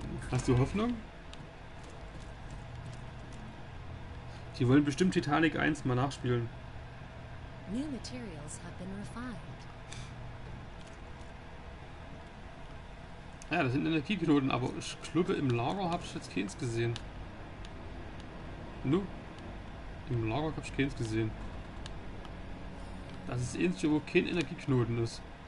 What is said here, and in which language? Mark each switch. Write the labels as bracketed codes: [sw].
[de] Hast du Hoffnung? Die wollen bestimmt Titanic 1 mal nachspielen. [en] New materials have been refined. [de] Ja, das sind Energieknoten, aber ich glaube, im Lager habe ich jetzt keins gesehen. Nu? Im Lager habe ich keins gesehen. Das ist ähnlich, wo kein Energieknoten ist.